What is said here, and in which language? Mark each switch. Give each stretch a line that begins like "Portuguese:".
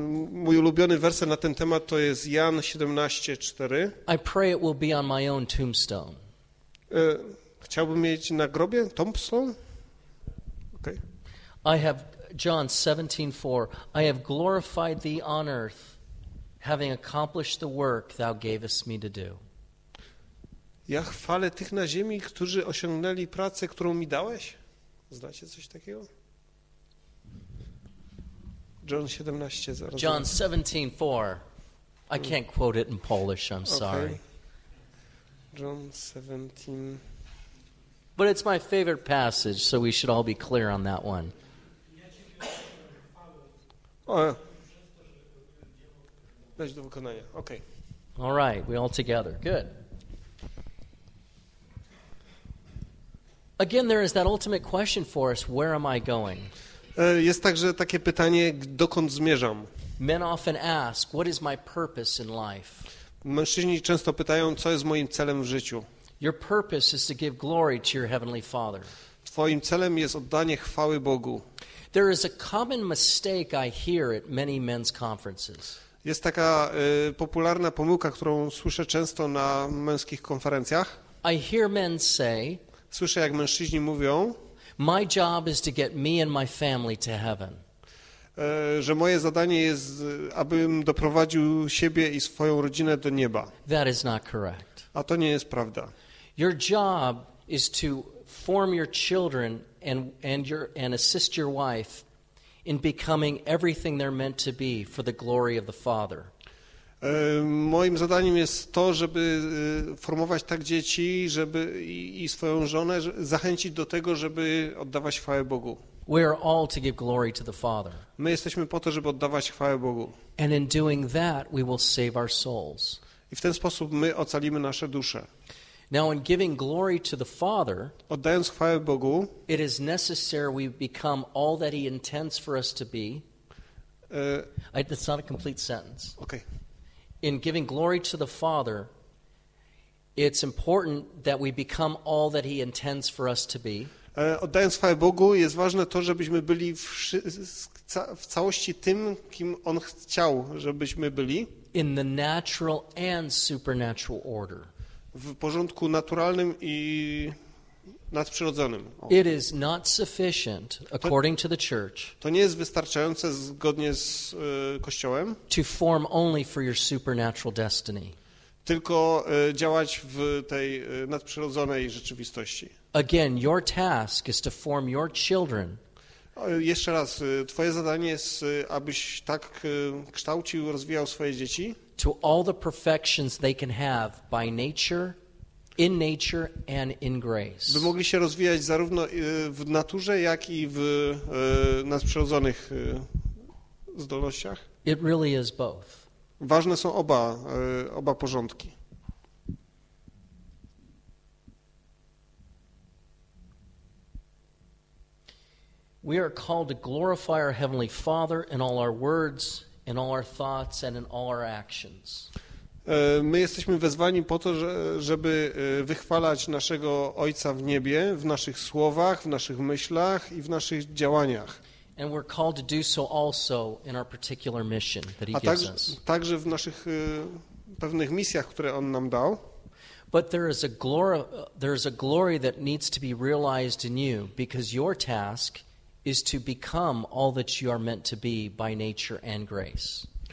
Polish: Mój ulubiony werset na ten temat to jest Jan 17:4.
English: I pray it will be on my own tombstone.
Polish: Chciałbym mieć na grobie tombstone.
English: Okay. I have John 17:4. I have glorified thee on earth, having accomplished the work thou gavest me to do.
Polish: Ja chwalę tych na ziemi, którzy osiągnęli pracę, którą mi dałeś. Znacie coś takiego? John 17, zaraz.
English: John 17:4. I can't quote it in Polish, I'm sorry. John 17. But it's my favorite passage, so we should all be clear on that one.
Polish: Dać do wykonania. Okay.
English: All right, we all together. Good. Again, there is that ultimate question for us, where am I going?
Polish: Jest także takie pytanie, dokąd zmierzam?
English: Men often ask, what is my purpose in life?
Polish: Mężczyźni często pytają, co jest moim celem w życiu?
English: Your purpose is to give glory to your heavenly Father.
Polish: Twoim celem jest oddanie chwały Bogu.
English: There is a common mistake I hear at many men's conferences.
Polish: Jest taka popularna pomyłka, którą słyszę często na męskich konferencjach.
English: I hear men say,
Polish: słyszę, jak mężczyźni mówią,
English: my job is to get me and my family to heaven.
Polish: Że moje zadanie jest, abym doprowadził siebie i swoją rodzinę do nieba.
English: That is not correct.
Polish: A to nie jest prawda.
English: Your job is to form your children and assist your wife in becoming everything they're meant to be for the glory of the Father.
Polish: Moim zadaniem jest to, żeby formować tak dzieci, żeby i swoją żonę zachęcić do tego, żeby oddawać chwałę Bogu.
English: We are all to give glory to the Father.
Polish: My jesteśmy po to, żeby oddawać chwałę Bogu.
English: And in doing that, we will save our souls.
Polish: I w ten sposób my ocalimy nasze dusze.
English: Now in giving glory to the Father,
Polish: oddając chwałę Bogu,
English: it is necessary we become all that he intends for us to be. That's not a complete sentence. Okay. In giving glory to the Father, it's important that we become all that he intends for us to be.
Polish: Oddając chwałę Bogu, jest ważne to, żebyśmy byli w całości tym, kim on chciał, żebyśmy byli.
English: In the natural and supernatural order.
Polish: W porządku naturalnym i nadprzyrodzonym. O.
English: It is not sufficient, according to the church.
Polish: To nie jest wystarczające zgodnie z Kościołem.
English: To form only for your supernatural destiny.
Polish: Tylko działać w tej nadprzyrodzonej rzeczywistości.
English: Again, your task is to form your children.
Polish: Jeszcze raz, twoje zadanie jest, abyś tak kształcił, rozwijał swoje dzieci.
English: To all the perfections they can have by nature, in nature and in grace.
Polish: By mogli się rozwijać zarówno w naturze, jak i w nadprzyrodzonych zdolnościach.
English: It really is both.
Polish: Ważne są oba porządki.
English: We are called to glorify our Heavenly Father in all our words, in all our thoughts and in all our actions.
Polish: My jesteśmy wezwani po to, żeby wychwalać naszego Ojca w niebie, w naszych słowach, w naszych myślach i w naszych działaniach.
English: And we're called to do so also in our particular mission that he gives us.
Polish: A także, także w naszych pewnych misjach, które on nam dał.
English: But there is a glory that needs to be realized in you, because your task is to become all that you are meant to be by nature and grace.